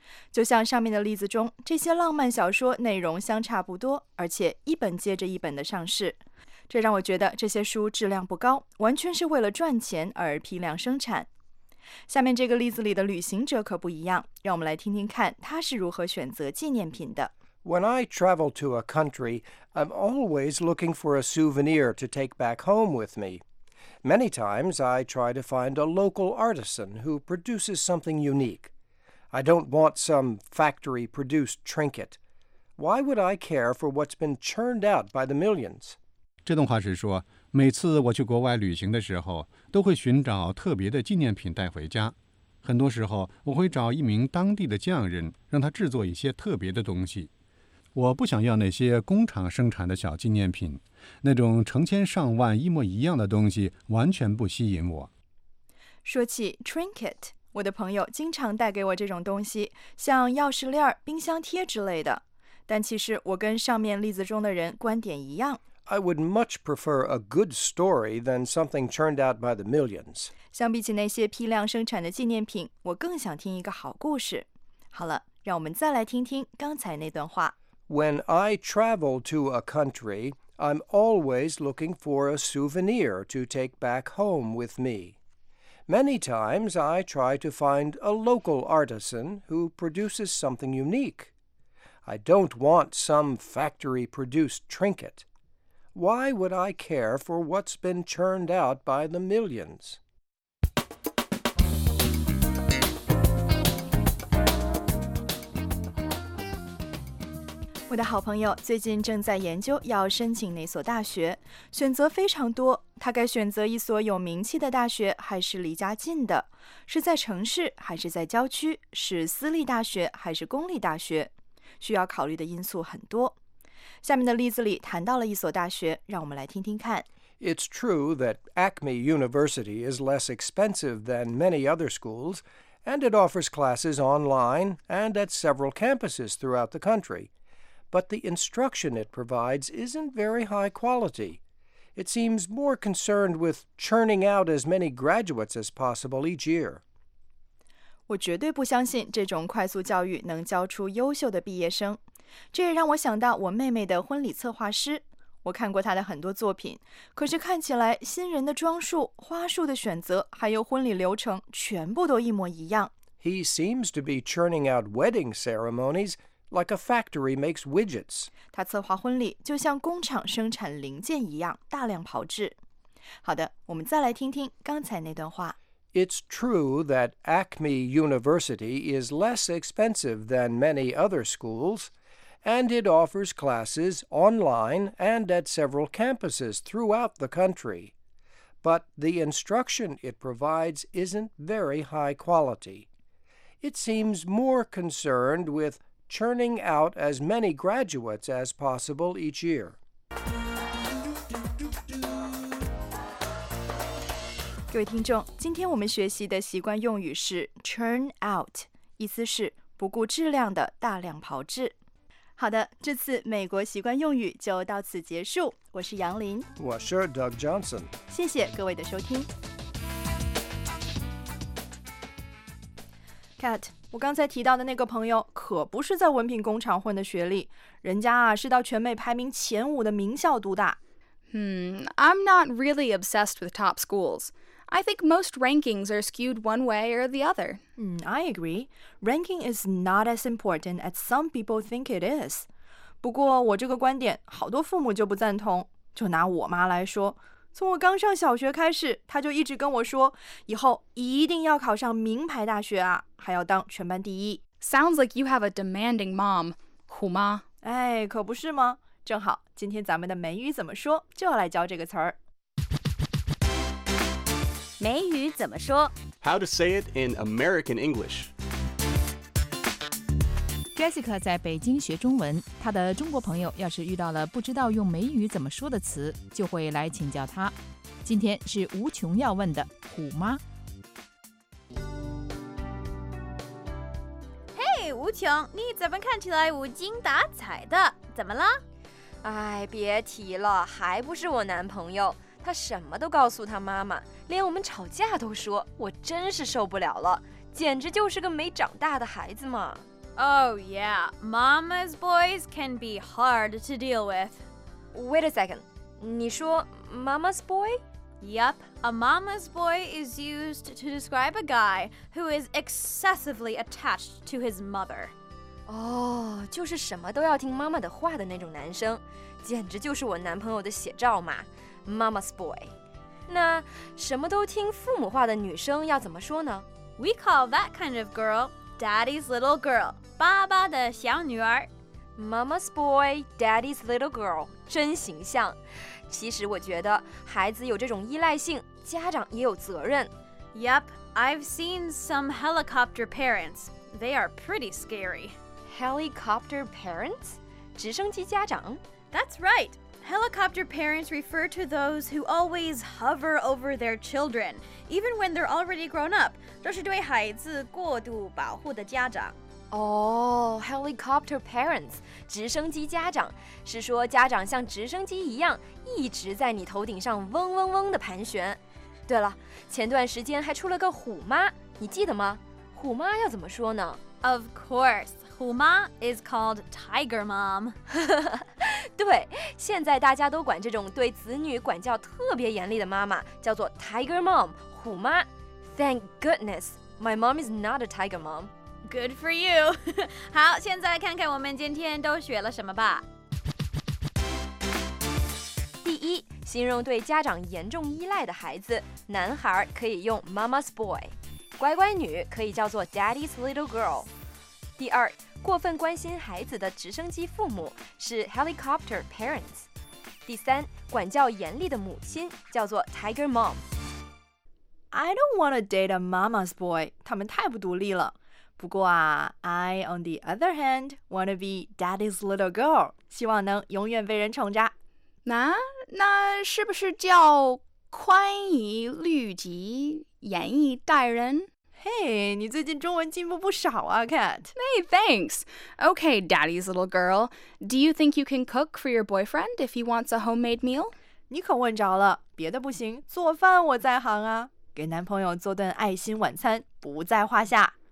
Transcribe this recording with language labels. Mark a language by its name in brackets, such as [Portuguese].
[Chinese] 就像上面的例子中，这些浪漫小说内容相差不多，而且一本接着一本的上市，这让我觉得这些书质量不高，完全是为了赚钱而批量生产。下面这个例子里的旅行者可不一样，让我们来听听看他是如何选择纪念品的。 [English] When I travel to a country, I'm always looking for a souvenir to take back home with me. Many times I try to find a local artisan who produces something unique. I don't want some factory-produced trinket. Why would I care for what's been churned out by the millions? [Chinese] 这段话是说，每次我去国外旅行的时候，都会寻找特别的纪念品带回家。很多时候，我会找一名当地的匠人，让他制作一些特别的东西。我不想要那些工厂生产的小纪念品，那种成千上万一模一样的东西完全不吸引我。说起 trinket， 我的朋友经常带给我这种东西，像钥匙链、冰箱贴之类的。但其实我跟上面例子中的人观点一样。 [English] I would much prefer a good story than something churned out by the millions. [Chinese] 相比起那些批量生产的纪念品，我更想听一个好故事。好了，让我们再来听听刚才那段话。 When I travel to a country, I'm always looking for a souvenir to take back home with me. Many times I try to find a local artisan who produces something unique. I don't want some factory-produced trinket. Why would I care for what's been churned out by the millions? 我的好朋友最近正在研究要申请哪所大学，选择非常多，他该选择一所有名气的大学还是离家近的，是在城市还是在郊区，是私立大学还是公立大学，需要考虑的因素很多。下面的例子里谈到了一所大学，让我们来听听看。 [English] It's true that Acme University is less expensive than many other schools, and it offers classes online and at several campuses throughout the country. But the instruction it provides isn't very high quality. It seems more concerned with churning out as many graduates as possible each year. [Chinese] 我绝对不相信这种快速教育能教出优秀的毕业生。这也让我想到我妹妹的婚礼策划师。我看过她的很多作品，可是看起来新人的装束、花束的选择，还有婚礼流程，全部都一模一样。 [English] He seems to be churning out wedding ceremonies,Like a factory makes widgets. [Chinese] 他策划婚礼就像工厂生产零件一样大量炮制。好的，我们再来听听刚才那段话。 [English] It's true that Acme University is less expensive than many other schools, and it offers classes online and at several campuses throughout the country. But the instruction it provides isn't very high quality. It seems more concerned withchurning out as many graduates as possible each year. [Chinese] 各位听众，今天我们学习的习惯用语是 churn out, 意思是不顾质量的大量炮制。好的，这次美国习惯用语就到此结束。我是杨林，我是 Doug Johnson。谢谢各位的收听。 Cat,我刚才提到的那个朋友可不是在文凭工厂混的学历，人家啊是到全美排名前五的名校读大。 [English] I'm not really obsessed with top schools. I think most rankings are skewed one way or the other. I agree. Ranking is not as important as some people think it is. [Chinese] 不过我这个观点好多父母就不赞同，就拿我妈来说，从我刚上小学开始，他就一直跟我说，以后一定要考上名牌大学啊，还要当全班第一。 [English] Sounds like you have a demanding mom, [Chinese] 虎妈。哎，可不是吗？正好，今天咱们的美语怎么说，就要来教这个词儿。美语怎么说 [English] ？How to say it in American English. [Chinese] Jessica 在北京学中文，她的中国朋友要是遇到了不知道用美语怎么说的词，就会来请教她。今天是无穷要问的虎妈。 Hey, 无穷，你怎么看起来无精打采的？怎么了？哎，别提了，还不是我男朋友，他什么都告诉他妈妈，连我们吵架都说，我真是受不了了，简直就是个没长大的孩子嘛。 [English] Oh yeah, mama's boys can be hard to deal with. Wait a second, [Chinese] 你说 [English] mama's boy? Yep, a mama's boy is used to describe a guy who is excessively attached to his mother. [Chinese] Oh, 就是什么都要听妈妈的话的那种男生，简直就是我男朋友的写照嘛， mama's boy. 那什么都听父母话的女生要怎么说呢？ [English] We call that kind of girl... Daddy's little girl, [Chinese] 爸爸的小女儿。 Mama's boy, daddy's little girl, 真形象。其实我觉得孩子有这种依赖性，家长也有责任。 [English] Yep, I've seen some helicopter parents. They are pretty scary. [Chinese] Helicopter parents? 直升机家长？ [English] That's right. Helicopter parents refer to those who always hover over their children. Even when they're already grown up, [Chinese] 这是对孩子过度保护的家长。 Helicopter parents, 直升机家长，是说家长像直升机一样一直在你头顶上嗡嗡嗡地盘旋。对了，前段时间还出了个虎妈，你记得吗？虎妈要怎么说呢？ [English] Of course, [Chinese] 虎妈 [English] is called tiger mom. [Chinese] 对，现在大家都管这种对子女管教特别严厉的妈妈叫做 tiger mom。虎妈 ， [English] Thank goodness, my mom is not a tiger mom. Good for you. [Chinese] 好，现在看看我们今天都学了什么吧。第一，形容对家长严重依赖的孩子，男孩可以用 mama's boy， 乖乖女可以叫做 daddy's little girl。第二，过分关心孩子的直升机父母是 helicopter parents。第三，管教严厉的母亲叫做 tiger mom。 [English] I don't want to date a mama's boy， [Chinese] 他们太不独立了。不过啊， [English] I on the other hand want to be daddy's little girl， [Chinese] 希望能永远被人宠着。那是不是叫宽以律己，严以待人？嘿、hey, 你最近中文进步不少啊 Cat。 [English] Hey, thanks. Okay, daddy's little girl, do you think you can cook for your boyfriend if he wants a homemade meal? [Chinese] 你可问着了，别的不行，做饭我在行啊，给男朋友做顿爱心晚餐不在话下。